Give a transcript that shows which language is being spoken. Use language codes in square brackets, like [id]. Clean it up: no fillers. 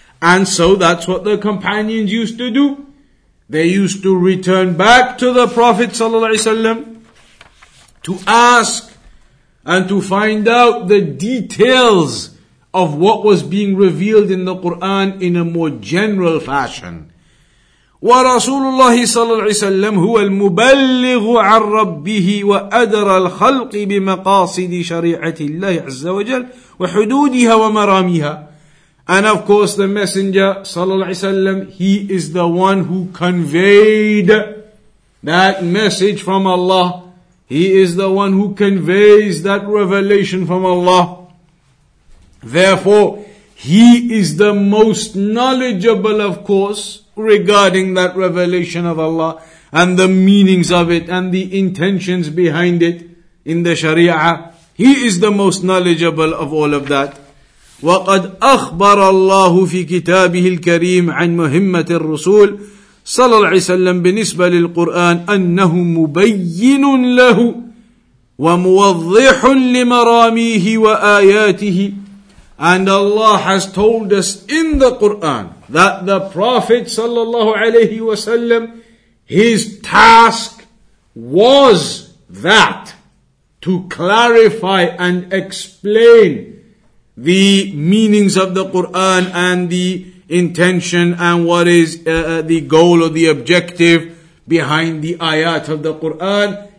[en] And so that's what the companions used to do. They used to return back to the Prophet sallallahu alaihi wasallam to ask and to find out the details of what was being revealed in the Quran in a more general fashion. [ar] ورسول الله صلى الله عليه وسلم هو المبلغ عن ربه وأدرى الخلق بمقاصد شريعة الله عز وجل وحدودها ومراميها. [en] And of course the messenger [ar] صلى الله عليه وسلم, [en] he is the one who conveyed that message from Allah. He is the one who conveys that revelation from Allah. Therefore, he is the most knowledgeable, of course, regarding that revelation of Allah and the meanings of it and the intentions behind it in the Sharia. He is the most knowledgeable of all of that. [ar] وَقَدْ أَخْبَرَ اللَّهُ فِي كِتَابِهِ الْكَرِيمِ عَنْ مُهِمَّةِ الرُّسُولِ صلى الله عليه وسلم بالنسبة للقرآن أَنَّهُ مُبَيِّنٌ لَهُ وَمُوَضِّحٌ لِمَرَامِيهِ وَآيَاتِهِ. [en] And Allah has told us in the Quran that the Prophet sallallahu alaihi wasallam, his task was that to clarify and explain the meanings of the Quran and the intention and what is the goal or the objective behind the ayat of the Quran.